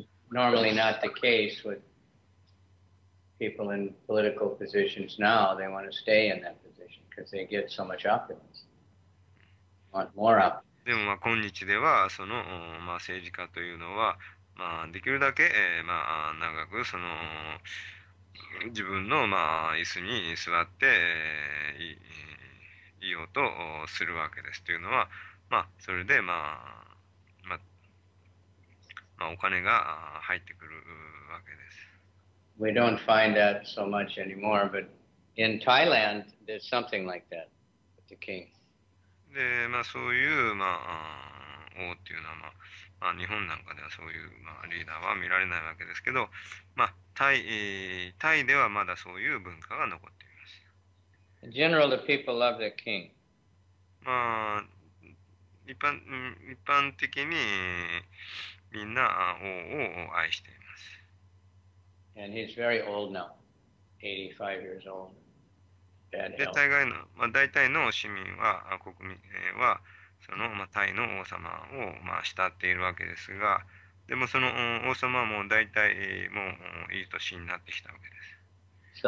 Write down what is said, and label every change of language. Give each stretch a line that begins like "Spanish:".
English: Normally not the case with people in political positions now. They want to stay in that position because they get so much opulence. Want more opulence.
Japanese: でも、まあ、今日では、その、まあ、政治家というのは、まあ、できるだけ、まあ、長く、その、自分の、まあ、椅子に座って、いようとするわけです。というのは、まあ、それで、まあ、お金が入ってくるわけです。
English: We don't find that so much anymore, but in Thailand, there's something like that with the king.
Japanese: で、まあ、そういう、まあ、王っていうのは、まあ、日本なんかではそういう、まあ、リーダーは見られないわけですけど、まあ、タイではまだそういう文化が残ってい
English: In general, the people love the king.
Japanese: ます。まあ、一般的にみんな王を愛しています。
English: And he's very old now, 85 years old, bad
Japanese: で、
English: health.
Japanese: 大概の、まあ、大体の市民は、国民は、その、まあ、タイの王様を、まあ、慕っているわけですが、でもその王様も大体もういい年になってきたわけです。